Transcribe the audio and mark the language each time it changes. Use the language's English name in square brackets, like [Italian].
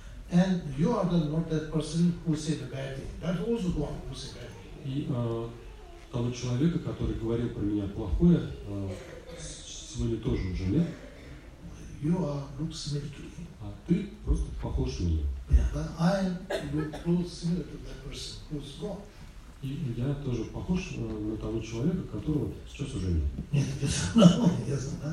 [English] And you are the, not that person who said a bad thing. That also gone who said bad thing. [Russian] И того человека, который говорил про меня плохое, сегодня тоже уже нет. [English] You are look similar to him. [Russian] А ты просто похож на меня. [English] Yeah, I look close similar to that person who's gone. [Russian] И я тоже похож на того человека, которого сейчас уже нет.